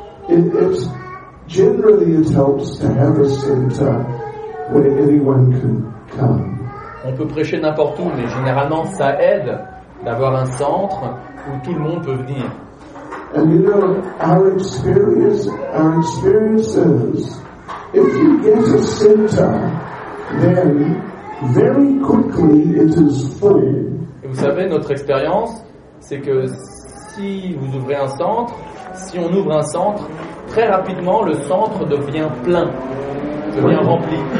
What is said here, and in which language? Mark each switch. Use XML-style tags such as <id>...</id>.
<en>It's generally it helps to have a center where anyone can come.</en> <fr>On peut prêcher n'importe où, mais généralement ça aide d'avoir un centre où tout le monde peut venir.</fr> <en>And you know, our experiences, if you get a center, then very quickly it is full.</en> <fr>Et vous savez, notre expérience, c'est que si vous ouvrez un centre, si on ouvre un centre, très rapidement, le centre devient plein, devient rempli.</fr>